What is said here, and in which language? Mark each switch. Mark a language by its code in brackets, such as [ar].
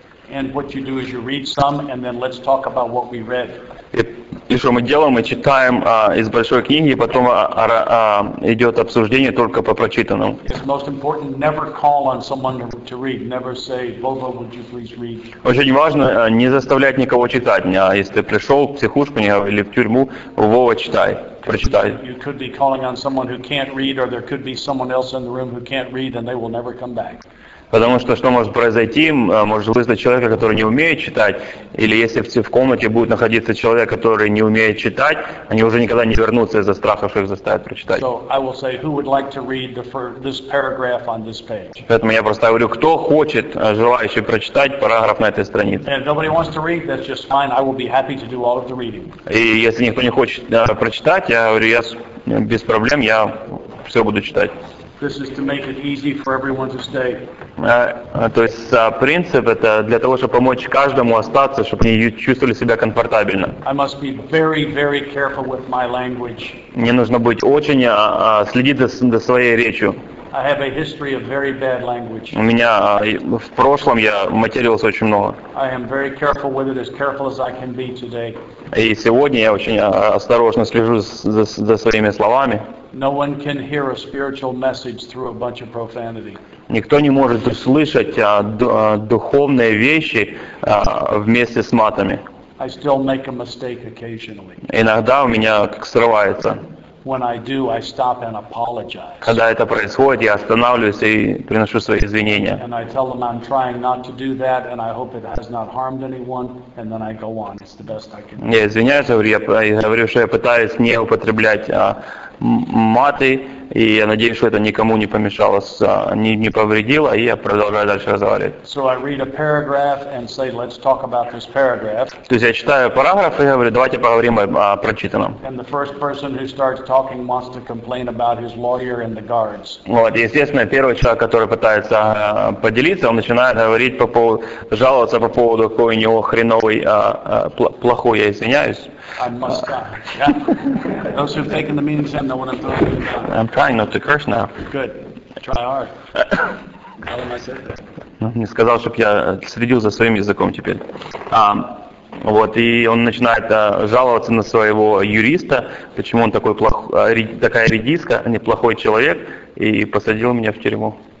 [en] And what you do is you read some, and then let's talk about what we read. [ru] И что мы делаем? Мы читаем из большой книги, и потом идет обсуждение только по прочитанному. [en] It's most important never call on someone to read. Never say, Volvo, would you please read? [ru] Очень важно не заставлять никого читать. А если ты пришел в психушку или в тюрьму, Вова, читай. [en] You could be calling on someone who can't read, or there could be someone else in the room who can't read, and they will never come back. [ru] Потому что может произойти? Может вызвать человека, который не умеет читать, или если в комнате будет находиться человек, который не умеет читать, они уже никогда не вернутся из-за страха, что их заставят прочитать. [en] So I will say, who would like to read this paragraph on this page? [ru] Поэтому я просто говорю, кто хочет, желающий прочитать параграф на этой странице. [en] And if nobody wants to read, that's just fine. I will be happy to do all of the reading. [ru] И если никто не хочет прочитать, я говорю, я без проблем, я все буду читать. [en] This is to make it easy for everyone to stay. [ru] То есть принцип это для того, чтобы помочь каждому остаться, чтобы они чувствовали себя комфортабельно. [en] I must be very, very careful with my language. [ru] Мне нужно быть очень следить за своей речью. [en] I have a history of very bad language. [ru] У меня в прошлом я матерился очень много. [en] I am very careful with it, as careful as I can be today. [ru] И сегодня я очень осторожно слежу за своими словами. [en] No one can hear a spiritual message through a bunch of profanity. [ru] Никто не может услышать духовные вещи вместе с матами. [en] I still make a mistake occasionally. [ru] Иногда у меня как срывается. [en] When I do, I stop and apologize. [ru] Когда это происходит, я останавливаюсь и приношу свои извинения. [en] And I tell them I'm trying not to do that, and I hope it has not harmed anyone, and then I go on. It's the best I can do. [ru] Я извиняюсь, я говорю, что я пытаюсь не употреблять маты, и я надеюсь, что это никому не помешало, не повредило, и я продолжаю дальше разговаривать. [en] So I read a paragraph and say, let's talk about this paragraph. [ru] То есть я читаю параграф и говорю, давайте поговорим о прочитанном. [en] And the first person who starts talking wants to complain about his lawyer and the guards. [ru] Вот, естественно, первый человек, который пытается поделиться, он начинает говорить жаловаться по поводу какой у него хреновый, плохой, я извиняюсь. [en] I must stop. Those who've taken the meeting time know what I'm talking about. I'm trying not to curse now. Good. Try hard. How am I said that? [ru] Ну, не сказал, чтобы я следил за своим языком теперь. Вот, и он начинает жаловаться на своего юриста, почему он такой такая редиска, а не плохой человек, и посадил меня в тюрьму.